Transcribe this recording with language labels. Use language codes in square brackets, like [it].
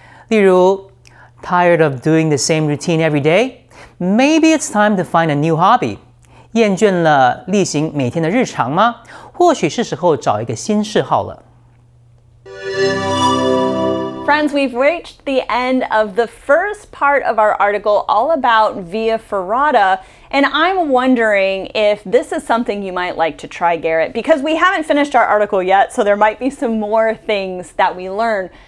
[zh] 例如 [en] tired of doing the same routine every day? Maybe it's time to find a new hobby. [zh] 厌倦了例行每天的日常吗？或许是时候找一个新嗜好了。 [en] Friends, we've reached the end of the first part of our article all about Via Ferrata, and I'm wondering if this is something you might like to try, Garrett, because we haven't finished our article yet, so there might be some more things that we learn.